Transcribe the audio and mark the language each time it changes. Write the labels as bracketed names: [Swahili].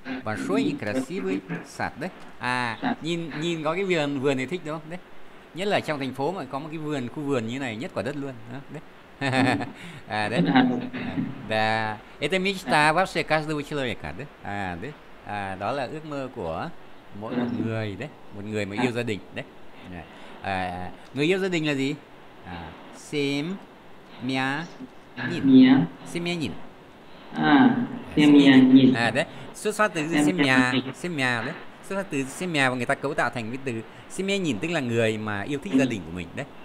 [Russian] Большой и красивый сад, да? [Vietnamese] А, nhìn có cái vườn này thích đúng không? Đấy. Nhất là trong thành phố mà có một cái vườn, khu vườn như này nhất quả đất luôn. Đó, đấy. À, đấy. Да. [Russian] Это мечта вообще каждого человека, да? [Vietnamese] А, đấy. À, đó là ước mơ của mỗi một người, đấy. Một người mà yêu gia đình, đấy. À, người yêu gia đình là gì? [Russian] À, семья. Семья. Семья. À, Simian. [Vietnamese] À đấy, xuất phát từ simia đấy. Xuất phát từ simia và người ta cấu tạo thành cái từ simia nhìn, tức là người mà yêu thích gia đình của mình đấy.